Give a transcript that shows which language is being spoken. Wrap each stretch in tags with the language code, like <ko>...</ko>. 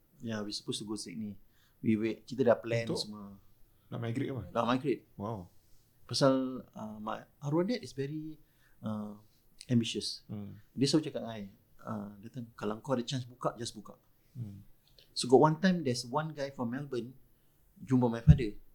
<en>Yeah, we supposed to go Sydney. We wait,</en> <ms>kita dah plan untuk semua. Nak migrate apa? Nak migrate.</ms> <en>Wow.</en> <ms>Pasal arwah</ms> <en>dad is very ambitious.</en> <ms>Dia selalu cakap dengan I, dia tanya, kalau kau ada chance buka, just buka.</ms> <en>So got one time, there's one guy from Melbourne</en> <ms>jumpa</ms> <en>my father.</en>